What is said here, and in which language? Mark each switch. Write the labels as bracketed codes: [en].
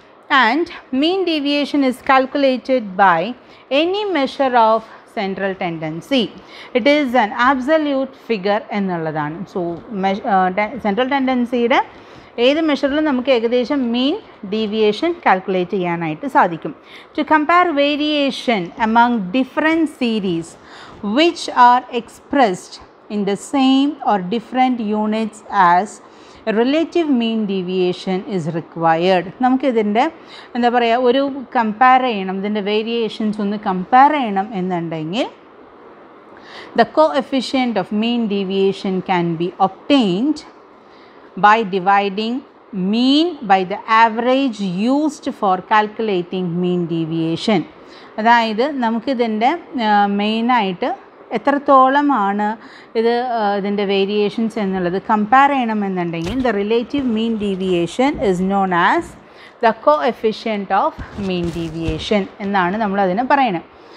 [en] And mean deviation is calculated by any measure of central tendency. It is an absolute figure [ml] ennalladanu. So central tendency ide ഏത് മെഷറിലും നമുക്ക് ഏകദേശം mean deviation calculate ചെയ്യാനായിട്ട് സാധിക്കും. [en] To compare variation among different series which are expressed in the same or different units as relative mean deviation is required. [ml] നമുക്കിതിൻ്റെ എന്താ പറയുക, ഒരു compare ചെയ്യണം, ഇതിൻ്റെ വേരിയേഷൻസ് ഒന്ന് കമ്പയർ ചെയ്യണം എന്നുണ്ടെങ്കിൽ [en] The coefficient of mean deviation can be obtained by dividing mean by the average used for calculating mean deviation. [ml] അതായത് നമുക്കിതിൻ്റെ മെയിനായിട്ട് എത്രത്തോളമാണ് ഇത് ഇതിൻ്റെ വേരിയേഷൻസ് എന്നുള്ളത് കമ്പയർ ചെയ്യണമെന്നുണ്ടെങ്കിൽ [en] the relative mean deviation [ml] is known as the co efficient of mean deviation എന്നാണ് നമ്മളതിനെ പറയുന്നത്.